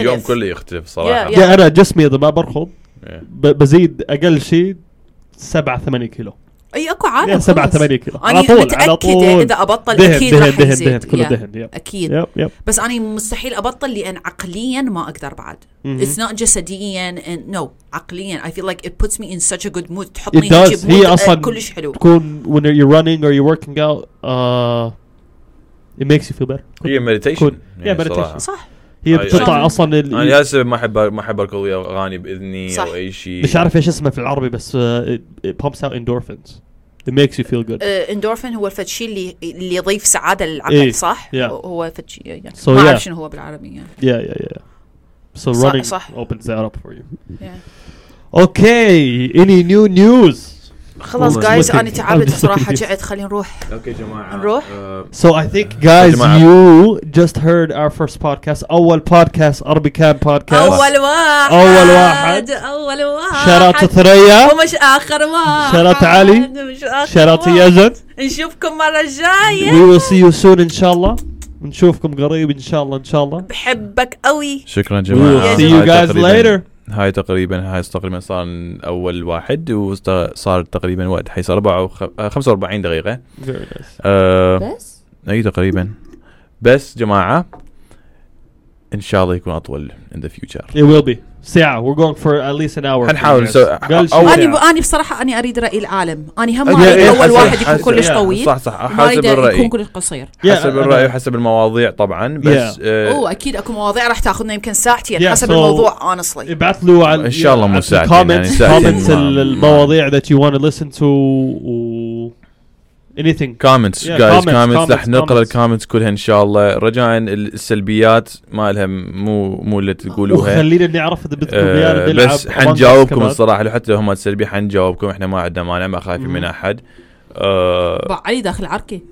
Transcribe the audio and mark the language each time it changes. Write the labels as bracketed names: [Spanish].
[Arabic] اليوم كله يختلف صراحة. Yeah, [English] yeah. [Arabic] أنا جسمي إذا ما بركض بزيد أقل شيء 7-8 كيلو. أي أكو عالم. 7-8 كيلو. أنا متأكد إذا أبطل دهن أكيد دهن دهن دهن دهن كله دهن. Yeah. أكيد. [English] Yeah, yeah. [Arabic] بس أنا مستحيل أبطل لأن عقليا ما أقدر بعد. Mm-hmm. [English] It's not جسديا and no عقليا I feel like it puts me in such a good mood تحطني it does. [Arabic] هي أصلا كلش حلو [English] تكون when you're running or you're working out it makes you feel better [Arabic] هي meditation [English] yeah, yeah meditation [Arabic] صح هي بتطلع أصلا ال أنا لازم ما أحب أركض أغاني بإذني صح. أو أي شيء مش عارف إيش اسمه في العربي بس [English] it pumps out endorphins it makes you feel good [Arabic] endorphin هو الفتشي اللي يضيف سعادة للعقل إيه. صح [English] yeah. [Arabic] هو فتشي يعني so ما أعرف yeah. شنو هو بالعربي يعني [English] yeah yeah yeah So running صح. opens that up for you. Yeah. Okay. Any new news? [Arabic] خلاص guys أنا تعبت صراحة جعت خلينا نروح. Okay جماعة. نروح. [English] So I think guys you just heard our first podcast. [Arabic] أول podcast Arabi Camp podcast. أول واحد. أول واحد. أول واحد. شارة ثريا. ومش آخر واحد. شارة علي. شارة يزن. نشوفكم مرة جاية. [English] We will see you soon [Arabic] إن شاء الله. ونشوفكم قريب إن شاء الله. إن شاء الله بحبك قوي. شكرا جماعة. We'll [English] see you guys later. [Arabic] هاي تقريبا صار أول واحد وصار تقريبا وقت حيصار 45 دقيقة. [English] Very nice. [Arabic] أي تقريبا بس جماعة إن شاء الله يكون أطول [English] in the future. It will be. ساعة. We're going for at least an hour. [Arabic] هنحاول. أنا بصراحة أنا أريد رأي العالم. أنا هم أريد أول حسب واحد يكون كلش طويل. صح صح. حسب الرأي. يكون كلش قصير. حسب الرأي وحسب المواضيع طبعًا. بس أوه أكيد أكو مواضيع راح تأخذنا يمكن ساعتين حسب الموضوع honestly. ابعتلو على. إن شاء الله مو ساعتين. comments [English] comments المواضيع that you want to listen to. Anything. Comments, yeah, guys. Comments. [Arabic] رح نقرأ الكومنتس كلها إن شاء الله. رجاء السلبيات ما لها مو اللي تقولوها. خلينا نعرف إذا بتقولوها. بس حنجاوبكم الصراحة لو حتى هما سلبي حنجاوبكم. إحنا ما عندنا مانع ما خايفين من أحد. علي داخل عركي.